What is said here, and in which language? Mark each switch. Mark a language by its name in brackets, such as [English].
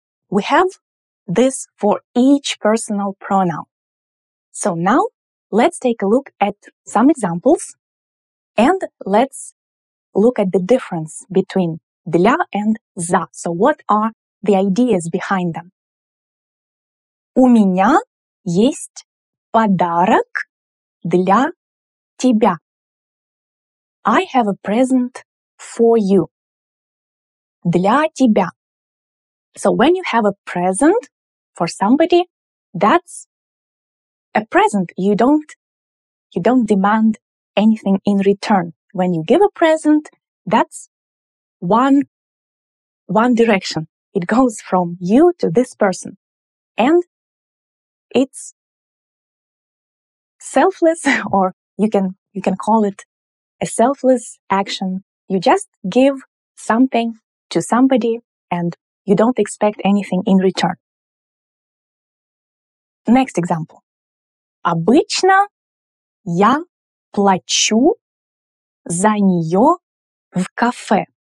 [English] We have this for each personal pronoun. So now let's take a look at some examples, and let's look at the difference between для and за. So what are the ideas behind them? [Russian] У меня есть подарок для тебя. [English] I have a present for you. [Russian] Для тебя. [English] So when you have a present for somebody, that's a present. You don't demand anything in return. When you give a present, that's one direction. It goes from you to this person. And it's selfless, or you can call it a selfless action. You just give something to somebody and you don't expect anything in return. Next example. [Russian] Обычно я плачу за неё в кафе.